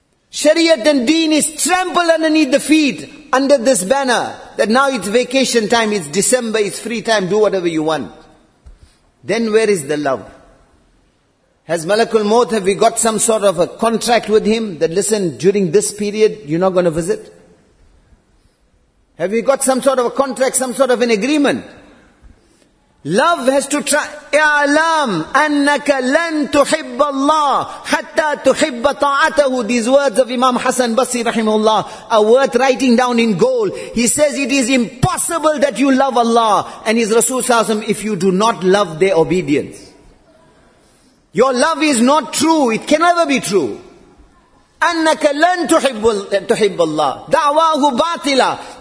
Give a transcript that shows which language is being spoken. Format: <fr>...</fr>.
<en>Shariat and deen is trampled underneath the feet under this banner that now it's vacation time, it's December, it's free time, do whatever you want. Then where is the love? Has Malakul Maut, have we got some sort of a contract with him that, listen, during this period you're not going to visit? Have we got some sort of a contract, some sort of an agreement? Love has to try.</en> <ar>اعلم انك لن تحب الله حتى تحب طاعته.</ar> <en>These words of Imam Hassan Basri rahimahullah are worth writing down in gold. He says it is impossible that you love Allah and His Rasul sallallahu alaihi wasallam if you do not love their obedience. Your love is not true. It can never be true.</en> <ar>أَنَّكَ لَن تُحِبُّ اللَّهِ دَعْوَاهُ بَاطِلَ.</ar>